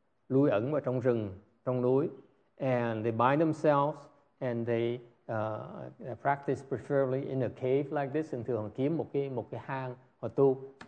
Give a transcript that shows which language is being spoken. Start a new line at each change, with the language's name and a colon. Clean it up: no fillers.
Vietnamese: Lui ẩn vào trong rừng, trong núi.
English: And they by themselves, and they practice preferably in a cave like this.
Vietnamese: And thường kiếm một cái hang họ tu.